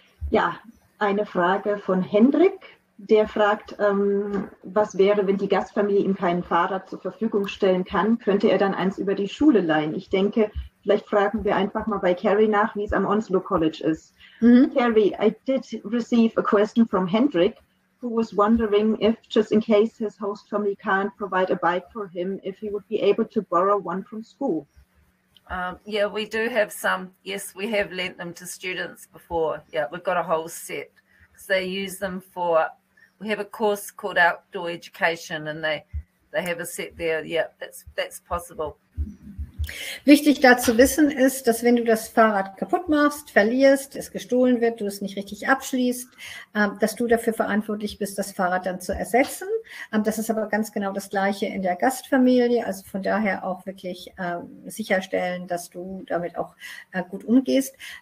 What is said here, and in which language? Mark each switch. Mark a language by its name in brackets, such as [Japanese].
[German] Ja, eine Frage von Hendrik, der fragt, was wäre, wenn die Gastfamilie ihm keinen Fahrrad zur Verfügung stellen kann, könnte er dann eins über die Schule leihen? Ich denke, vielleicht fragen wir einfach mal bei Carrie nach, wie es am Onslow College ist. Mhm. [English] Carrie, I did receive a question from Hendrik, who was wondering if, just in case his host family can't provide a bike for him, if he would be able to borrow one from school. Yeah, we do have some. Yes, we have lent them to students before. Yeah, we've got a whole set. So they use them for, we have a course called Outdoor Education and they have a set there. Yeah, that's possible. [German] Wichtig da zu wissen ist, dass wenn du das Fahrrad kaputt machst, verlierst, es gestohlen wird, du es nicht richtig abschließt, dass du dafür verantwortlich bist, das Fahrrad dann zu ersetzen. Das ist aber ganz genau das Gleiche in der Gastfamilie. Also von daher auch wirklich sicherstellen, dass du damit auch gut umgehst.